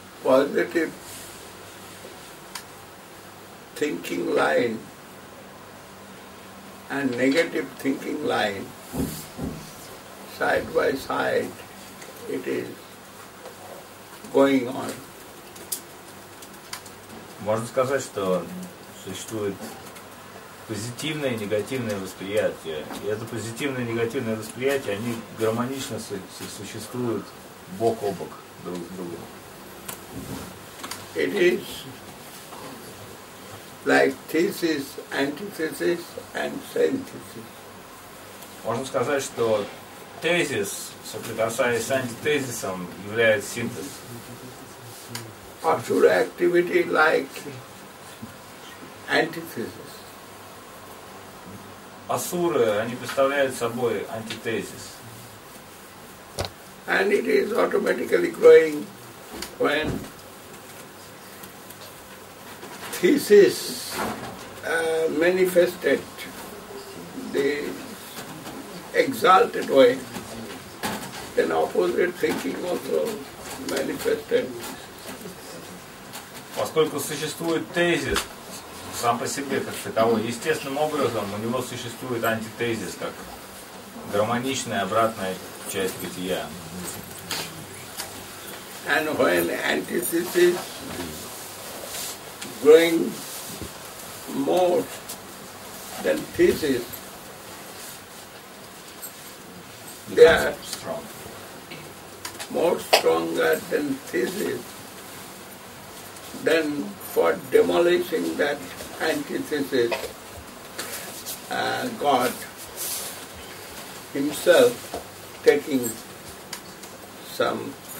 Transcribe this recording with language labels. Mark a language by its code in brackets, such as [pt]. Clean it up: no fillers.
[en] positive thinking line and negative thinking line side by side, it is going on. [ru] Можно сказать, что существует позитивное и негативное восприятие. И это позитивное и негативное восприятие, они гармонично существуют бок о бок друг с другом. [en] It is like thesis, antithesis, and synthesis. [ru] Можно сказать, что тезис, соприкасаясь с антитезисом, является синтезом. [en] Asura activity like antithesis. [ru] Асуры, они представляют собой антитезис. [en] And it is automatically growing when thesis manifested the exalted way, then opposite thinking also manifested. [ru] Поскольку существует тезис сам по себе как таковой, естественным образом у него существует антитезис как гармоничная обратная часть бытия. [en] And when antithesis growing more than thesis, they are strong. More stronger than thesis, then for demolishing that antithesis, God himself taking some